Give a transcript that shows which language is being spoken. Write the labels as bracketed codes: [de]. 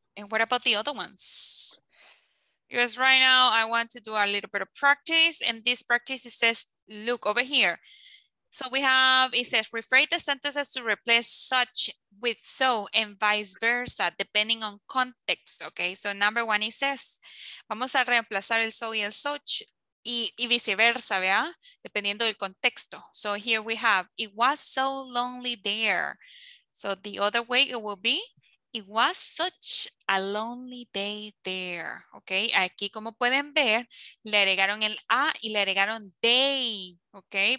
[en] And what about the other ones? Because right now I want to do a little bit of practice, and this practice says, look over here. So we have, it says, rephrase the sentences to replace such with so and vice versa, depending on context, okay? So number one, it says, [es] vamos a reemplazar el so y el such y viceversa, ¿vea? Dependiendo del contexto. [en] So here we have, it was so lonely there. So the other way it will be, it was such a lonely day there, okay? [es] Aquí como pueden ver, le agregaron el a y le agregaron day, okay?